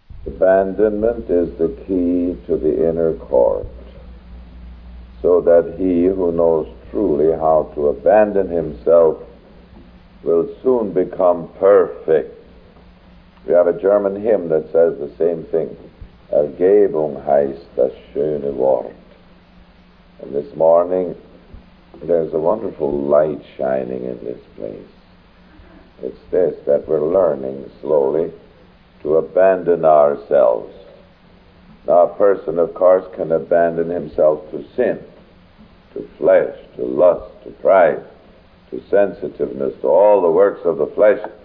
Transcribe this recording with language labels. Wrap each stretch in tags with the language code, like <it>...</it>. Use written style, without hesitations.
<en>Abandonment is the key to the inner court, so that he who knows truly how to abandon himself will soon become perfect. We have a German hymn that says the same thing.</en> <de>Ergebung heißt das schöne Wort.</de> <en>And this morning, there's a wonderful light shining in this place. It's this, that we're learning slowly to abandon ourselves. Now, a person, of course, can abandon himself to sin, to flesh, to lust, to pride, to sensitiveness, to all the works of the flesh.</en>